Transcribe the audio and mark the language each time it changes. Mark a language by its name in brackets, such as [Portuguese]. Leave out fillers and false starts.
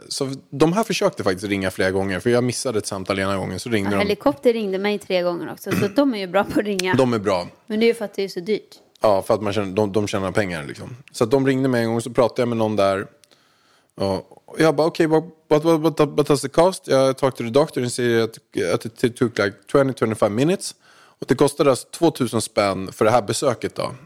[Swedish] Så de här försökte faktiskt ringa flera gånger. För jag missade ett samtal ena gången. Så ringde Helikopter ringde mig 3 gånger också. Så de är ju bra på att ringa. De är bra. Men det är ju för att det är så dyrt. Ja, för att man känner, de tjänar pengar liksom. Så att de ringde mig en gång. Så pratade jag med någon där. Och jag bara, okej, [English] okay, what does it cost? [Swedish] Jag [English] talked to the doctor and said [Swedish] att [English] it took like 20-25 minutes. [Swedish] Och det kostade alltså 2000 spänn för det här besöket då.